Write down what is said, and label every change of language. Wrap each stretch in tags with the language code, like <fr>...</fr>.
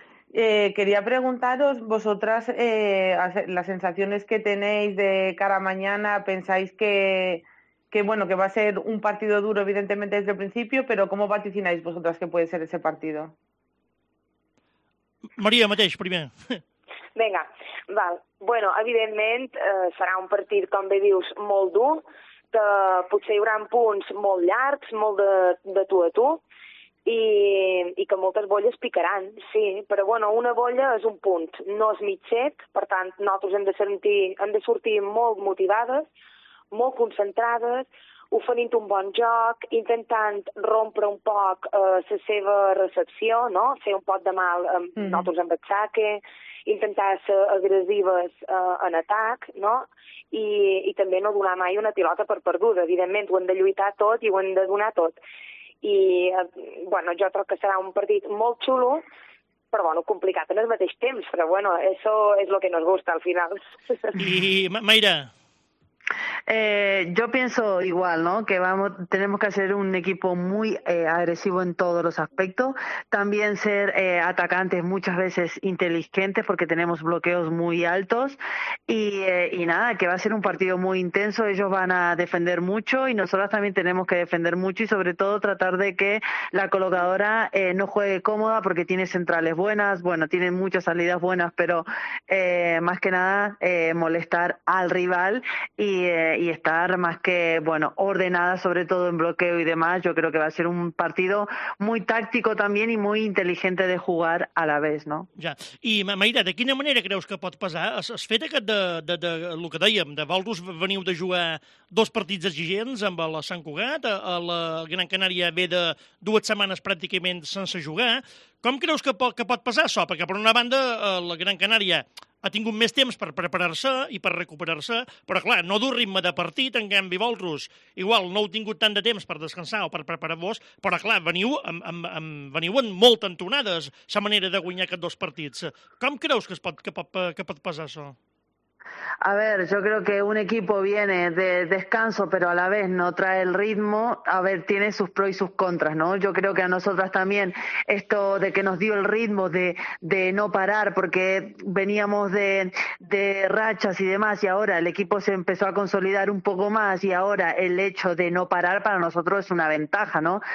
<es>Quería preguntaros, vosotras, las sensaciones que tenéis de cara a mañana, ¿pensáis que va a ser un partido duro, evidentemente, desde el principio, pero cómo vaticináis vosotras que puede ser ese partido?</es> <ca>Maria, mateix, primer. Vinga, val. Bueno, evidentment, serà un partit, com bé dius, molt dur, que potser hi haurà punts molt llargs, molt de tu a tu, i que moltes bolles picaran, sí, però bueno, una bolla és un punt, no és mitjet, per tant, nosaltres hem de sortir molt motivades, molt concentrades, oferint un bon joc, intentant rompre un poc la seva recepció, no? Fer un poc de mal nosaltres amb el saque, intentar ser agressives en atac, no? I també no donar mai una pilota per perduda, evidentment, ho hem de lluitar tot i ho hem de donar tot. i bueno, jo crec que serà un partit molt xulo, però bueno, complicat en el mateix temps, però bueno,</ca> <es>eso es lo que nos gusta al final.</es> <ca>I Mayra?</ca> <es>Yo pienso igual, ¿no? Que vamos, tenemos que hacer un equipo muy agresivo en todos los aspectos, también ser atacantes muchas veces inteligentes porque tenemos bloqueos muy altos y nada, que va a ser un partido muy intenso, ellos van a defender mucho y nosotras también tenemos que defender mucho y sobre todo tratar de que la colocadora no juegue cómoda porque tiene centrales buenas, bueno, tiene muchas salidas buenas, pero más que nada molestar al rival y estar más que, bueno, ordenada sobre todo en bloqueo y demás. Yo creo que va a ser un partido muy táctico también y muy inteligente de jugar a la vez, ¿no?</es> <ca>Ja. I, Mayra, de quina manera creus que pot pesar el fet aquest de el que dèiem, de Valdus veniu de jugar dos partits exigents amb la Sant Cugat, la Gran Canària ve de dues setmanes pràcticament sense jugar. Com creus que pot pesar això? Perquè, per una banda, la Gran Canària ha tingut més temps per preparar-se i per recuperar-se, però clar, no dur ritme de partit, en canvi Valdus igual no heu tingut tant de temps per descansar o per preparar-vos, però clar, veniu en molt entonades la manera de guanyar aquests dos partits. Com creus que pot passar això?</ca> <es>A ver, yo creo que un equipo viene de descanso, pero a la vez no trae el ritmo. A ver, tiene sus pros y sus contras, ¿no? Yo creo que a nosotras también esto de que nos dio el ritmo de no parar, porque veníamos de rachas y demás, y ahora el equipo se empezó a consolidar un poco más, y ahora el hecho de no parar para nosotros es una ventaja, ¿no?</es>